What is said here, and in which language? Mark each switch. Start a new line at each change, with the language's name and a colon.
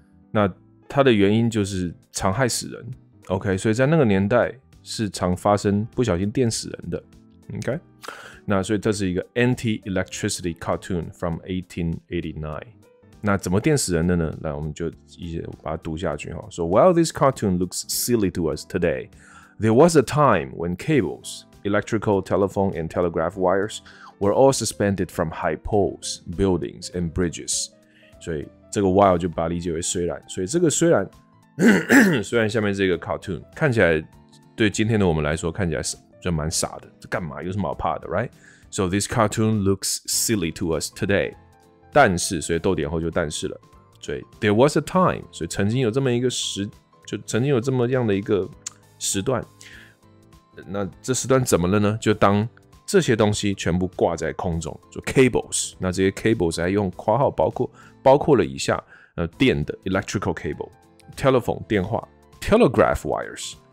Chinese: 那它的原因就是常害死人。OK， 所以在那个年代是常发生不小心电死人的。 OK。 那所以这是一个
English: anti-electricity cartoon from 1889.
Chinese: 那怎么电死人的呢？那我们就一些把它读下去哈。
English: So while this cartoon looks silly to us today, there was a time when cables, electrical, telephone, and telegraph wires were all suspended from high poles, buildings, and bridges.
Chinese: 所以这个 while 就把它理解为虽然。所以这个虽然虽然下面这个 cartoon 看起来对今天的我们来说看起来是。就蛮傻的，这干嘛？有什么好怕的 ，right？ So this cartoon looks silly to us today. 但是，所以逗点后就但是了。所以
English: there was a time，
Chinese: 所以曾经有这么一个时，就曾经有这么样的一个时段。那这时段怎么了呢？就当这些东西全部挂在空中，就 cables。那这些 cables 还用括号包括了以下，电的 electrical cable， telephone 电话 ，telegraph wires。